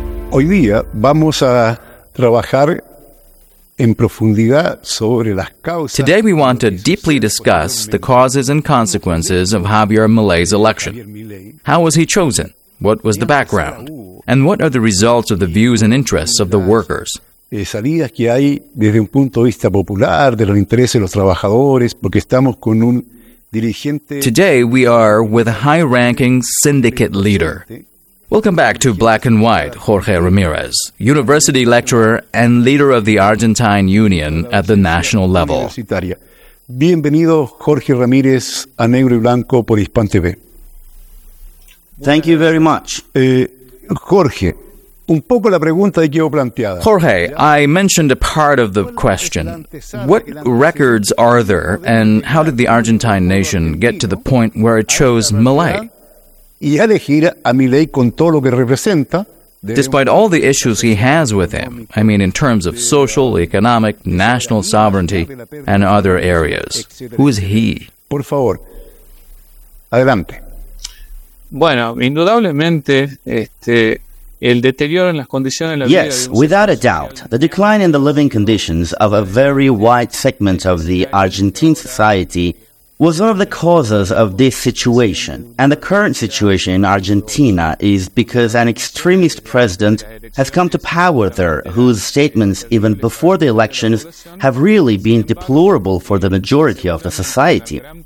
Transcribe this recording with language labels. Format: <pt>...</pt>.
<es>Hoy día vamos a trabajar en profundidad sobre las causas.</es> <en>Today we want to deeply discuss the causes and consequences of Javier Milei's election. How was he chosen? What was the background? And what are the results of the views and interests of the workers?</en> <es>Salidas que hay desde un punto de vista popular, de los intereses de los trabajadores, porque estamos con un dirigente.</es> <en>Today we are with a high-ranking syndicate leader. Welcome back to Black and White, Jorge Ramirez, university lecturer and leader of the Argentine Union at the national level.</en> <es>Bienvenido, Jorge Ramirez, a Negro y Blanco por Hispan TV.</es> <en>Thank you very much.</en> <es>Jorge, un poco la pregunta que quiero plantear.</es> <en>Jorge, I mentioned a part of the question. What records are there, and how did the Argentine nation get to the point where it chose Milei? Despite all the issues he has with him, I mean in terms of social, economic, national sovereignty, and other areas, who is he?</en> <es>Por favor, adelante. Bueno, indudablemente, el deterioro en las condiciones de la vida.</es> <en>Yes, without a doubt, the decline in the living conditions of a very wide segment of the Argentine society was one of the causes of this situation. And the current situation in Argentina is because an extremist president has come to power there, whose statements, even before the elections, have really been deplorable for the majority of the society.</en>